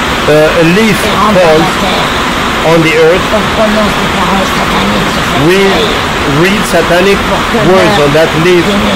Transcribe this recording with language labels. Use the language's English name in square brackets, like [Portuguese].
[English] A leaf falls on the earth. [French] On prononce des paroles sataniques sur cette feuille. [English] We read satanic words on that leaf.